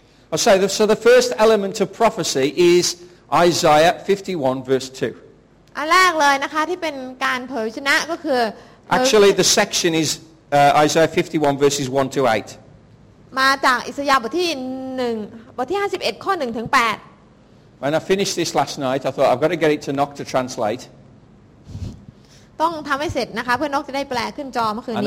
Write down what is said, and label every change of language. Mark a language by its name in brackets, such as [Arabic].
[English] I'll say this, so the first element of prophecy is Isaiah 51 verse 2. [Thai] อันแรกเลยนะคะที่เป็นการเผยชนะก็คือ [English] Actually, the section is Isaiah 51 verses 1 to 8. [Thai] มาจากอิสยาห์บทที่51ข้อ1ถึง8 [English] When I finished this last night, I thought I've got to get it to Nock to translate. [Thai] ต้องทำให้เสร็จนะคะเพื่อนกจะได้แปลขึ้นจอเมื่อคืนน